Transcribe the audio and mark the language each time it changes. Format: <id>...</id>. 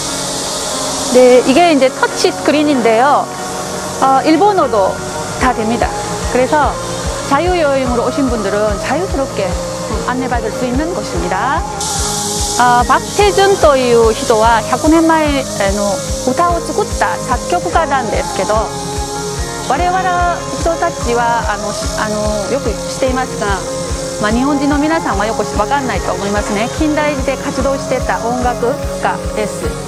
<ja>こちらは医療専、博物館として使われているところです。で、</ja> <ko>이게 이제 터치 스크린인데요. 일본어도 다 됩니다. 그래서 자유 여행으로 오신 분들은 자유스럽게 안내받을 수 있는 곳입니다.</ko> <ja>박태준という人は100年前の歌を作った作曲家なんですけど、我々人たちはよく知っていますが、日本人の皆さんはよくわかんないと思いますね。近代で活動してた音楽家です。</ja>